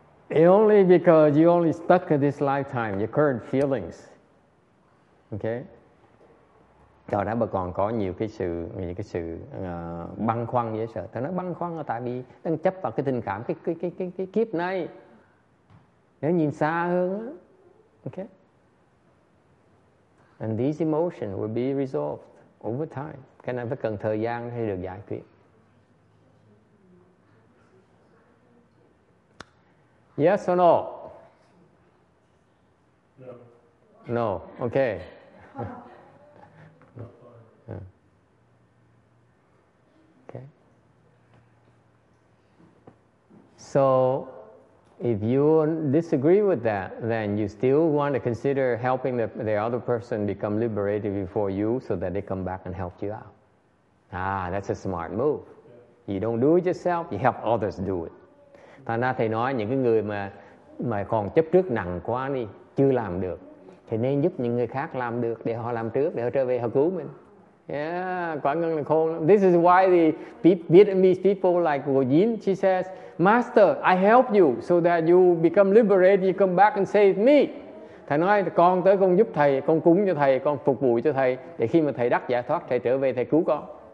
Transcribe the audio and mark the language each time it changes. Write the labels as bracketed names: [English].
[English] Only because you only stuck in this lifetime, your current feelings. Okay. [Vietnamese] Cho nên bà còn có nhiều cái sự, băn khoăn với sợ. Thế nó băn khoăn là tại vì đang chấp vào cái tình cảm, cái kiếp này. Nếu nhìn xa hơn, okay. [English] And these emotions will be resolved over time. [Vietnamese] Cái này phải cần thời gian hay được giải quyết. [English] Yes or no? No. No. Okay. Okay. So, if you disagree with that, then you still want to consider helping the other person become liberated before you so that they come back and help you out. Ah, that's a smart move. Yeah. You don't do it yourself, you help others do it. [Vietnamese] Thành ra thầy nói những cái người mà còn chấp trước nặng quá đi, chưa làm được, thì nên giúp những người khác làm được để họ làm trước, để họ trở về họ cứu mình. Yeah, quả ngân là khôn lắm. [English] This is why the Vietnamese people like Vô Dín, she says, Master, I help you so that you become liberated, you come back and save me. [Vietnamese] Thầy nói, con tới con giúp thầy, con cúng cho thầy, con phục vụ cho thầy, để khi mà thầy đắc giải thoát, thầy trở về, thầy cứu con.